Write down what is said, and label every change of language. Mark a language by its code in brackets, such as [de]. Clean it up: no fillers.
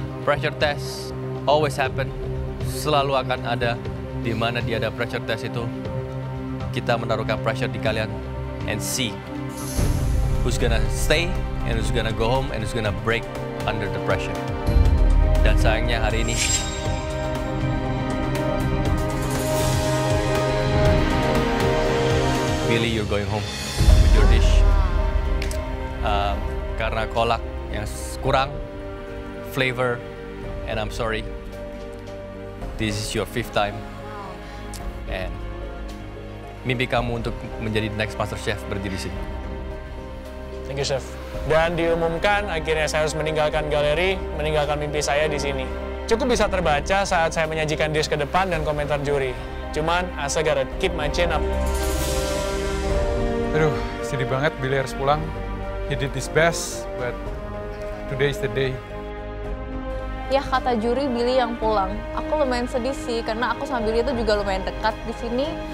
[en] Pressure test always happen. [id] Selalu akan ada di mana dia ada pressure test itu. Kita menaruhkan pressure di kalian [en] and see who's gonna stay and who's gonna go home and who's gonna break under the pressure. [id] Dan sayangnya hari ini [en] Billy, you're going home with your dish. [id] karena kolak yang kurang flavor, [en] and I'm sorry. This is your fifth time, and [id] mimpi kamu untuk menjadi [en] next master chef [id] berdiri di sini. [en] Thank you, chef. [id] Dan diumumkan akhirnya saya harus meninggalkan galeri, meninggalkan mimpi saya di sini. Cukup bisa terbaca saat saya menyajikan dish ke depan dan komentar juri. Cuman, [en] asa gotta keep my chin up. [id] Aduh, sedih banget Billy harus pulang. [en] He did his best, but today is the day. [id] Ya, kata juri Billy yang pulang. Aku lumayan sedih sih, karena aku sama Billy itu juga lumayan dekat di sini.